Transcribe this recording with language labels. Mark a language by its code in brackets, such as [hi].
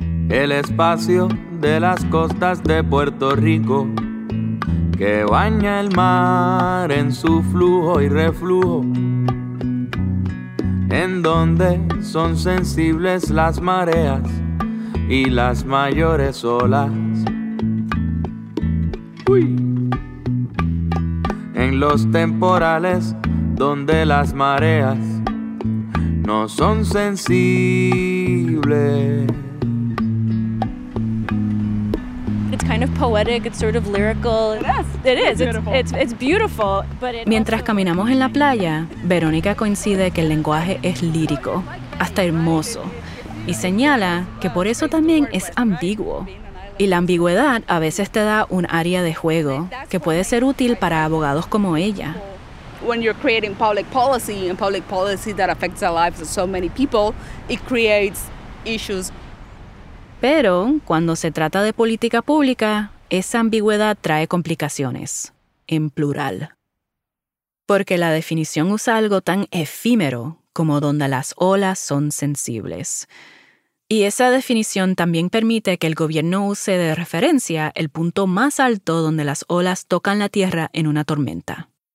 [es] El espacio de las costas de Puerto Rico que baña el mar en su flujo y reflujo, en donde son sensibles las mareas y las mayores olas. Uy. En los temporales donde las mareas no son sensibles. [en] It's kind of poetic, it's sort of lyrical. It is. It's beautiful, but it [es] Mientras [en] also... [es] caminamos en la playa, Verónica coincide que el lenguaje es lírico, hasta hermoso. Y señala que por eso también es ambiguo. Y la ambigüedad a veces te da un área de juego que puede ser útil para abogados como ella. [en] When you're creating public policy that affects the lives of so many people, it creates issues. [es] Pero cuando se trata de política pública, esa ambigüedad trae complicaciones, en plural. Porque la definición usa algo tan efímero como donde las olas son sensibles. Y esa definición también permite que el gobierno use de referencia el punto más alto donde las olas tocan la tierra en una tormenta.